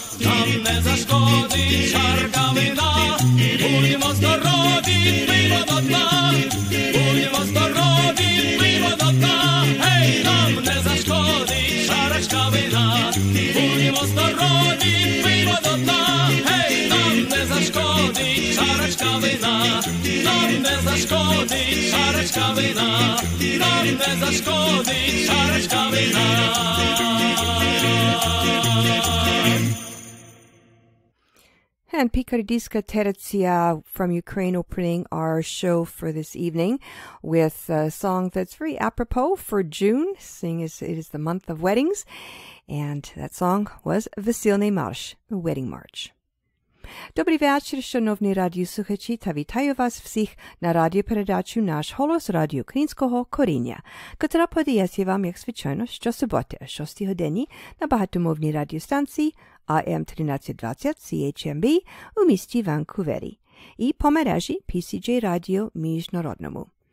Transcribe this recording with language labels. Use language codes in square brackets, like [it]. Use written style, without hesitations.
[uk] Нам не зашкодить чарка вина, будьмо здорові, пиймо до дна, будьмо здорові, пиймо до дна, гей, нам не зашкодить чарочка вина, будьмо здорові, пиймо до дна, гей, нам не зашкодить чарочка вина, нам не зашкодить чарочка вина, нам не зашкодить чарочка вина. [en] And Picardiska Terezia from Ukraine opening our show for this evening with a song that's very apropos for June, seeing as it is the month of weddings. And that song was Vesilny Marsh, the Wedding March. [uk] Добрий вечір, шановні радіослухачі, та вітаю вас всіх на радіопередачу «Наш голос» радіо українського коріння, котра подається вам, як звичайно, щосуботи о 6-й годині на багатомовній радіостанції AM 1320 CHMB у місті Ванкувері і по мережі PCJ Радіо Міжнародному.